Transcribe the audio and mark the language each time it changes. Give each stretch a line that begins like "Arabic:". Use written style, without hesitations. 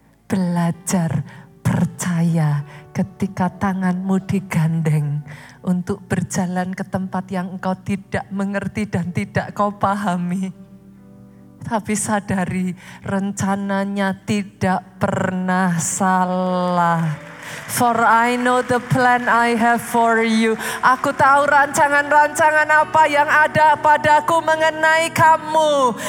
Indonesian: Belajar percaya ketika tanganmu digandeng untuk berjalan ke tempat yang engkau tidak mengerti dan tidak kau pahami. Tapi sadari rencananya tidak pernah salah.
English: For I know the plan I have for you.
Indonesian: Aku tahu rancangan-rancangan apa yang ada padaku mengenai kamu.